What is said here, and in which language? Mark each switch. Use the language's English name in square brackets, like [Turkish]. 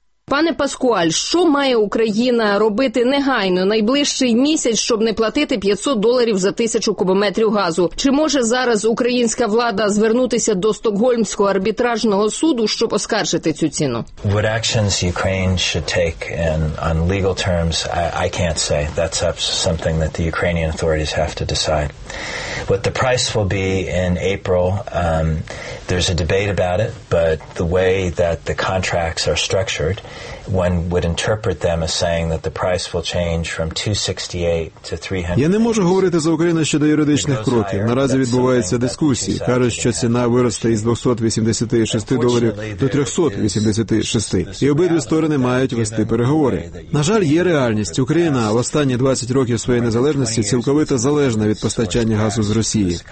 [Ukrainian] Пане Паскуаль, що має Україна робити негайно, найближчий місяць, щоб не платити $500 за 1000 кубометрів газу? Чи може зараз українська влада звернутися до Стокгольмського арбітражного суду, щоб оскаржити цю ціну? [English] What actions Ukraine should take on legal terms, I can't say. That's something that the Ukrainian authorities have to decide. What the price will be in April, there's a debate about it, but the way that the contracts are structured, one would interpret them as saying that the price will change from 268 to 300. [Ukrainian] Я не можу говорити за Україну щодо юридичних кроків. Наразі відбувається дискусії. Кажуть, що ціна виросте із $286 до $386. І обидві сторони мають вести переговори. На жаль, є реальність. Україна в останні 20 років своєї незалежності цілковито залежна від постачання газу з Росії.